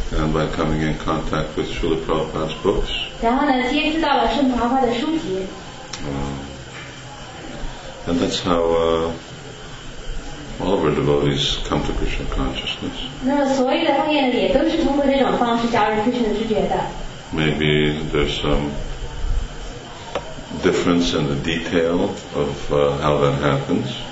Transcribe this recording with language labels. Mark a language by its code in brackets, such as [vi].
[en] And by coming in contact with Srila Prabhupada's books. [zh] 然后呢，接触到了圣婆婆的书籍。 [en] And that's how all of our devotees come to Krishna consciousness. [zh] 那么所有的奉献的也都是通过这种方式加入Krishna之旅的。 [en] Maybe there's some difference in the detail of how that happens.